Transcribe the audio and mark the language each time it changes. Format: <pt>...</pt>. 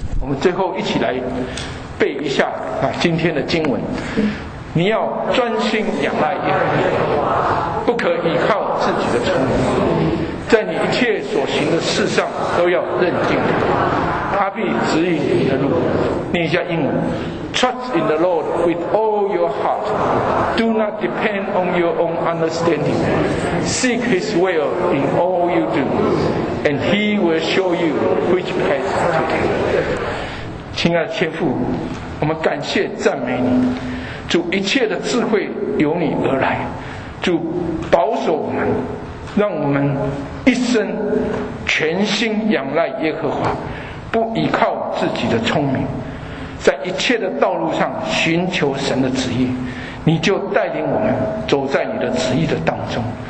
<zh>我们最后一起来背一下啊今天的经文。你要专心仰赖耶和华，不可依靠自己的聪明，在你一切所行的事上都要认定他，必指引你的路。念一下英文，</zh> <en>Trust in the Lord with all your heart. Do not depend on your own understanding. Seek his will in all you do, and he will show you which path to take.</en> <zh>亲爱的天父，我们感谢赞美你，主，一切的智慧由你而来，主保守我们，让我们一生全心仰赖耶和华，不依靠自己的聪明，在一切的道路上寻求神的旨意，你就带领我们走在你的旨意的当中。</zh>